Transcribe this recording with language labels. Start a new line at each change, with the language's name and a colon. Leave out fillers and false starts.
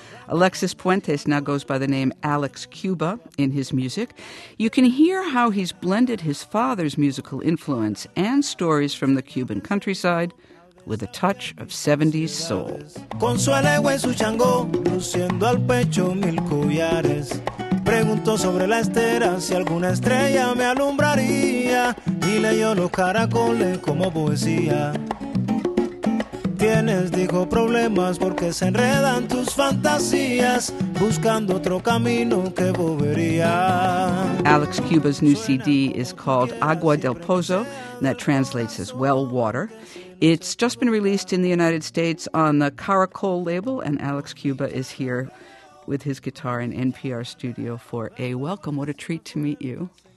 English: Alexis Puentes now goes by the name Alex Cuba in his music. You can hear how he's blended his father's musical influence and stories from the Cuban countryside with a touch of 70s soul.
Spanish: Con su alegre y su chango, luciendo al pecho mil collares. Pregunto sobre la estera si alguna estrella me alumbraría y leyó los caracoles como poesía. Tienes, dijo, problemas porque se enredan tus fantasías buscando otro camino que bobería.
English: Alex Cuba's new CD is called Agua del Pozo, and that translates as well water. It's just been released in the United States on the Caracol label, and Alex Cuba is here with his guitar in NPR studio for a welcome. What a treat to meet you.